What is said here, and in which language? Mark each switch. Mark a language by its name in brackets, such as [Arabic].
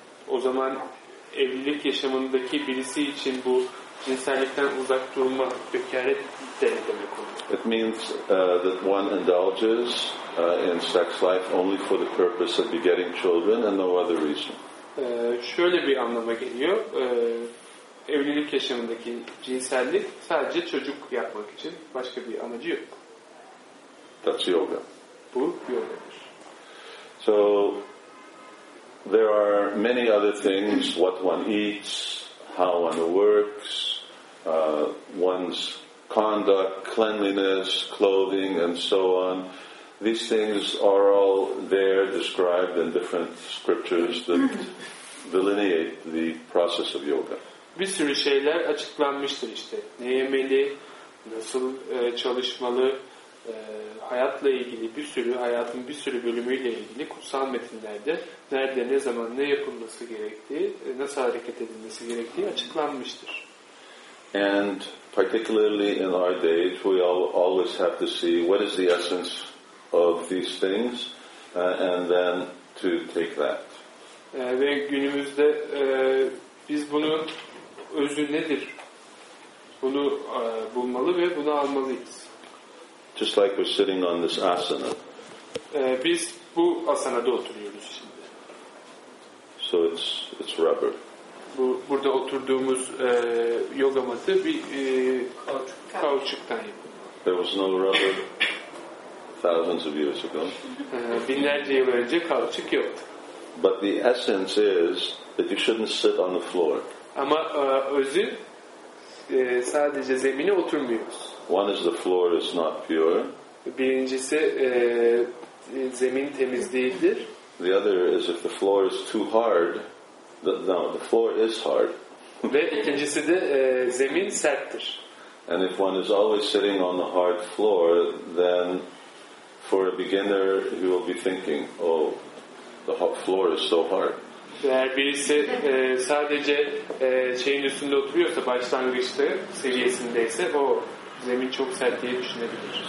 [Turkish] O zaman evlilik yaşamındaki birisi için bu cinsellikten uzak durma bekaret demek oluyor. [English] It means that one indulges in sex life only for the purpose of begetting children and no other reason. [Turkish] Şöyle bir anlama geliyor. Evlilik yaşamındaki cinsellik sadece çocuk yapmak için başka bir amacı yok. [English] That's yoga. [Turkish] Bu yogadır. [English] So there are many other things, what one eats, how one works, one's conduct, cleanliness, clothing, and so on. These things are all there described in different scriptures that delineate the process of yoga. [Turkish] Bir sürü şeyler açıklanmıştır işte. Ne yemeli, nasıl çalışmalı, hayatla ilgili bir sürü, hayatın bir sürü bölümüyle ilgili kutsal metinlerde nerede, ne zaman, ne yapılması gerektiği, nasıl hareket edilmesi gerektiği açıklanmıştır. [English] And particularly in our day, we all always have to see what is the essence of these things and then to take that. [Turkish] Ve günümüzde biz bunun özü nedir? Bunu bulmalı ve bunu almalıyız. [English] Just like we're sitting on this asana. [Turkish] Biz bu asanada oturuyoruz şimdi. [English] So it's rubber. [Turkish] Burada oturduğumuz yoga matı bir kauçuktan yapılmış. [English] There was no rubber thousands of years ago. [Turkish] Binlerce yıl önce kauçuk yoktu. [English] But the essence is that you shouldn't sit on the floor. [Turkish] Ama özü sadece zemine oturmuyoruz. [English] One is the floor is not pure. [Turkish] Birincisi zemin temiz değildir. [English] The other is if the floor is too hard. The floor is hard. [Turkish] Ve ikincisi de zemin serttir. [English] And if one is always sitting on the hard floor, then for a beginner he will be thinking, oh, the hot floor is so hard. [Turkish] Eğer birisi sadece şeyin üstünde oturuyorsa, başlangıçta seviyesindeyse, o zemin çok sert diye düşünebilir.